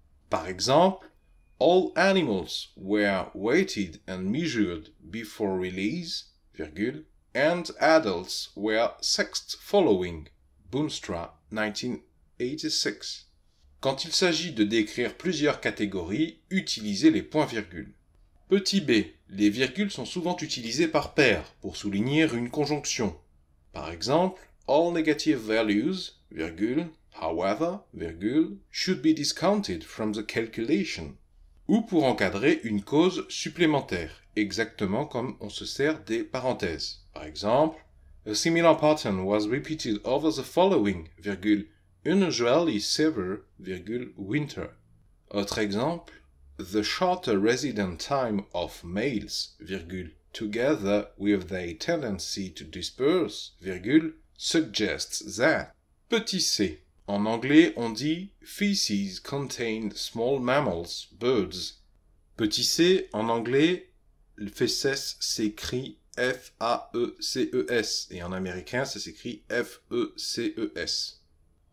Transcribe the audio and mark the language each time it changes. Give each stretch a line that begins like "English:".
French: Par exemple,
English: all animals were weighted and measured before release,
French: virgule,
English: and adults were sexed following, Boomstra, 1986.
French: Quand il s'agit de décrire plusieurs catégories, utilisez les points-virgules. Petit b, les virgules sont souvent utilisées par pair pour souligner une conjonction. Par exemple,
English: all negative values,
French: virgule,
English: however, virgule, should be discounted from the calculation.
French: Ou pour encadrer une cause supplémentaire, exactement comme on se sert des parenthèses. Par exemple,
English: a similar pattern was repeated over the following,
French: virgule,
English: unusually severe, virgule, winter.
French: Autre exemple,
English: the shorter resident time of males,
French: virgule,
English: together with their tendency to disperse, virgule, suggests that.
French: Petit c. En anglais, on dit
English: « feces contained small mammals, birds ».
French: Petit c, en anglais, « feces » s'écrit « F-A-E-C-E-S » et en américain, ça s'écrit « F-E-C-E-S ».